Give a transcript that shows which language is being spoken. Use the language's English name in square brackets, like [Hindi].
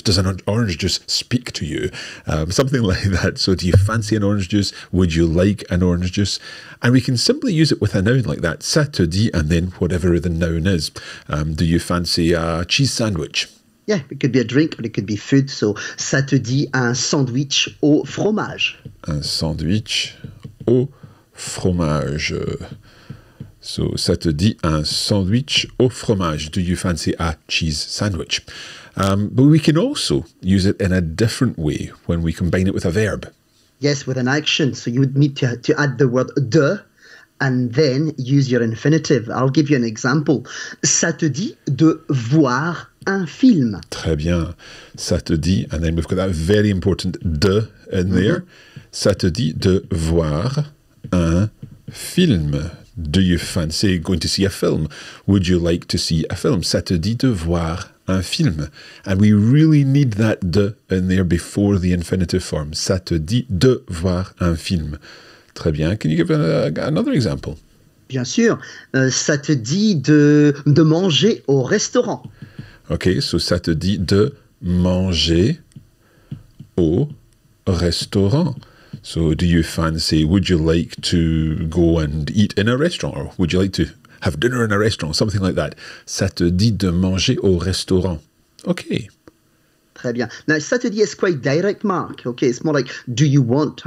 [English] Does an orange juice speak to you? Something like that. So, do you fancy an orange juice? Would you like an orange juice? And we can simply use it with a noun like that. [French] Ça te dit, [English] and then whatever the noun is. Do you fancy a cheese sandwich? Yeah, it could be a drink, but it could be food. [French] So, ça te dit un sandwich au fromage. Un sandwich au fromage. So, ça te dit un sandwich au fromage. [English] Do you fancy a cheese sandwich? But we can also use it in a different way when we combine it with a verb. Yes, with an action. So, you would need to add the word de and then use your infinitive. I'll give you an example. [French] Ça te dit de voir un film. Très bien. Ça te dit, [English] and then we've got that very important de in there. [French] Ça te dit de voir un film. [English] Do you fancy going to see a film? Would you like to see a film? [French] Ça te dit de voir un film. [English] And we really need that de in there before the infinitive form. [French] Ça te dit de voir un film. Très bien. [English] Can you give another example? [French] Bien sûr. Ça te dit de manger au restaurant. [English] OK, so [French] ça te dit de manger au restaurant. [English] So do you fancy, would you like to go and eat in a restaurant? Or would you like to have dinner in a restaurant? Something like that. [French] Ça te dit de manger au restaurant. OK. Très bien. [English] Now, [French] ça te dit [English] is quite direct, Mark. OK, it's more like, do you want?